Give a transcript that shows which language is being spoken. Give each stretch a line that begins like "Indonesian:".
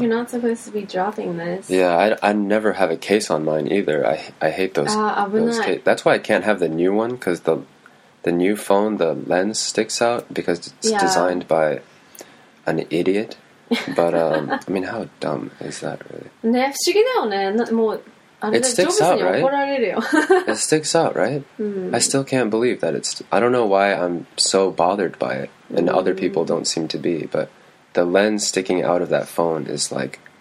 English: You're not supposed to be dropping this. Yeah, I never have a case on mine either. I hate those. That's why I can't have the new one, because the new phone, the lens sticks out because it's designed by an idiot. But I mean, how dumb is that, really?
Japanese: ね、不思議だよね。もうあれ、
English: it sticks out, right? It sticks out, right? I still can't believe that it's... I don't know why I'm so bothered by it, and other people don't seem to be, but the lens sticking out of that phone is like...